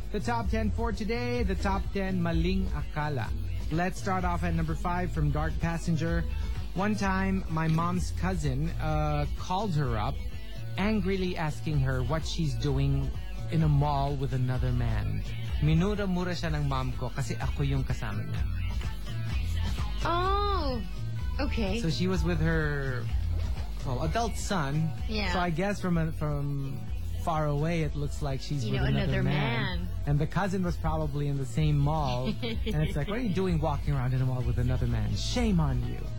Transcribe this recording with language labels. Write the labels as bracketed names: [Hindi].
[English] The top 10 for today, the top 10 Maling Akala. Let's start off at number 5 from Dark Passenger. One time, my mom's cousin called her up, angrily asking her what she's doing in a mall with another man. [Filipino] Minura mura siya ng mom ko kasi ako yung kasama niya. [English] Oh, okay. So she was with her adult son. Yeah. So I guess from far away, it looks like she's you with know, another man. And the cousin was probably in the same mall. And it's like, what are you doing walking around in a mall with another man? Shame on you.